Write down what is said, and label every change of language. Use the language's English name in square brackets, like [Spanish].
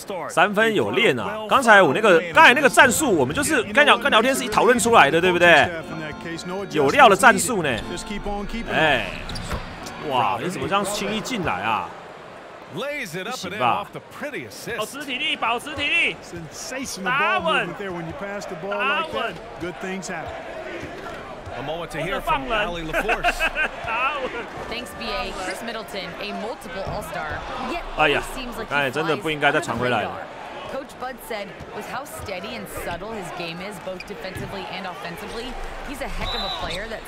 [Chinese] 三分有练啊，刚才我那个，刚才那个战术，我们就是跟聊天室一讨论出来的，对不对？有料的战术呢。哎，哇，你怎么这样轻易进来啊？ [English] Lays it up and off the pretty assist. [Chinese] 保持体力，保持体力。 [English] Sensational there when you pass the ball like that. Good things happen. A moment to hear from Allie LaForce. Thanks, BA. Chris Middleton, a multiple All-Star. Yet, [Chinese] 哎呀，刚才真的不应该再传回来了。 [English] Coach Bud said, with how steady and subtle his game is, both defensively and offensively, he's a heck of a player that.